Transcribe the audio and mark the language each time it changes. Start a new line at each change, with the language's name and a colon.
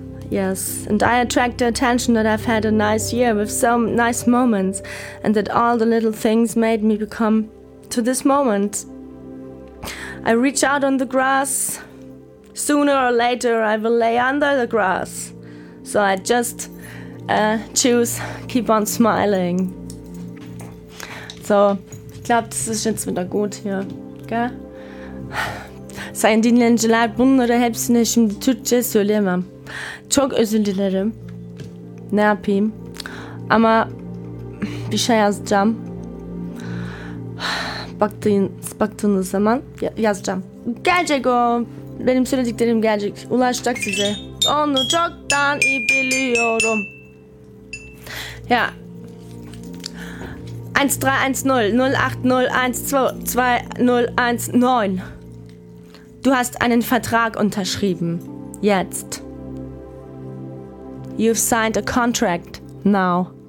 English: Yes, and I attract the attention that I've had a nice year with some nice moments, and that all the little things made me become to this moment. I reach out on the grass. Sooner or later, I will lay under the grass. So I just choose keep on smiling.
German: So, ich glaube, das ist jetzt wieder gut hier, gell?
Turkish: Sein dinlenciler bunları hepsine şimdi Türkçe söyleyemem. Çok özür dilerim. Ne yapayım? Ama bir şey yazacağım. Baktığınız zaman yazacağım. Gelecek o. Benim söylediklerim gelecek. Ulaşacak size. Onu çoktan iyi biliyorum.
German: Ja. 1310-0801-22019. Du hast einen Vertrag unterschrieben. Jetzt.
English: You've signed a contract now.